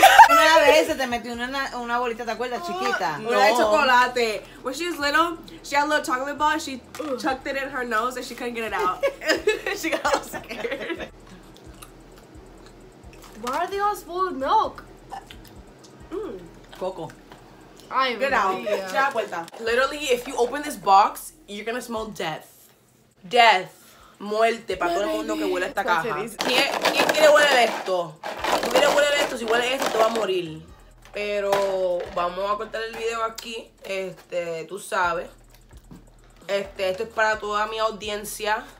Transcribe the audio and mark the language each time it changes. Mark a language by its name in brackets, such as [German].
[Spanish] Una vez se te metió una bolita, ¿te acuerdas? Chiquita. Una de chocolate. [English] When she was little, she had a little chocolate ball and she chucked it in her nose and she couldn't get it out. She got all scared. Why are they all full of milk? Coco. I am. Get out. Literally, if you open this box, you're gonna smell death. Death. [Spanish] Muerte para todo el mundo que huele esta caja. ¿Quién quiere oler esto? Si quieres oler esto, si hueles esto, te va a morir. Pero vamos a cortar el video aquí. Tú sabes. Esto es para toda mi audiencia.